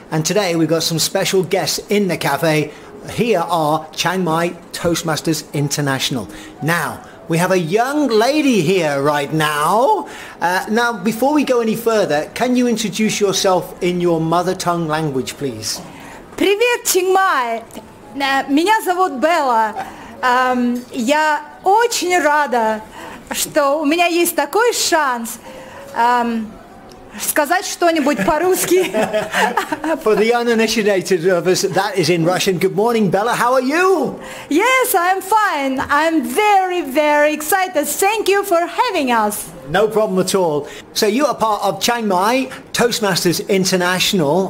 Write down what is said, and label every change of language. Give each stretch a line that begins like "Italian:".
English: And today we've got some special guests in the cafe. Here are Chiang Mai Toastmasters International. Now, we have a young lady here right now. Now, before we go any further, can you introduce yourself in your mother tongue language, please?
Russian: Привет, Chiang Mai. Меня зовут Белла. Я очень рада, что у меня есть такой шанс сказать что-нибудь по-русски.
English: For the uninitiated of us, that is in Russian. Good morning, Bella. How are you? Yes, I'm fine. I'm very, very excited. Thank you for having us. No problem at all. So you are part of Chiang Mai Toastmasters International.